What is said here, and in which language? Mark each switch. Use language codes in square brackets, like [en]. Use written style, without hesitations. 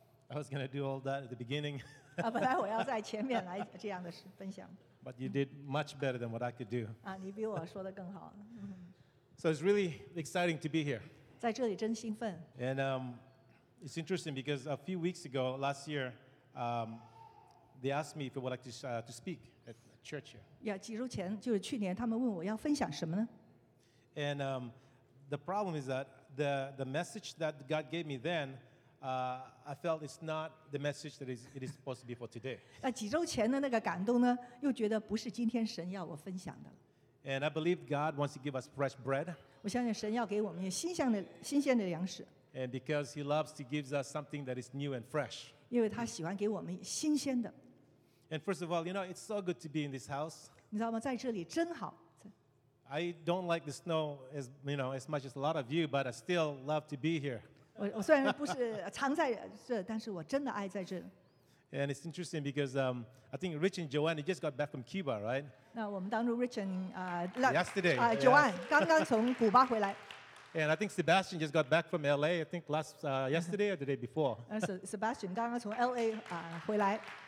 [en] I was going to do all that at the beginning. But you did much better than what I could do. [zh] 你比我说的更好。 [en] So it's really exciting to be here. [zh] 在这里真兴奋。 [en] And it's interesting because a few weeks ago, last year, they asked me if I would like to speak at church here. [zh] 几周前，就是去年，他们问我要分享什么呢？ [en] And the problem is that the message that God gave me then, I felt it's not the message that it is supposed to be for today. [zh] 那几周前的那个感动呢，又觉得不是今天神要我分享的。 [en] And I believe God wants to give us fresh bread. [zh] 我相信神要给我们新鲜的粮食。 [en] And because he loves to give us something that is new and fresh. [zh] 因为他喜欢给我们新鲜的。 [en] And first of all, you know, it's so good to be in this house. [zh] 你知道吗?在这里真好。 [en] I don't like the snow as, you know, as much as a lot of you, but I still love to be here. [zh] 我虽然不是常在这，但是我真的爱在这里。 [en] And it's interesting because I think Rich and Joanne just got back from Cuba, right? [zh] 那我们当初 Rich and [en] yesterday, [zh] Joanne 刚刚从古巴回来。 [en] And I think Sebastian just got back from LA. I think last yesterday or the day before. [zh] Sebastian 刚刚从 LA 回来。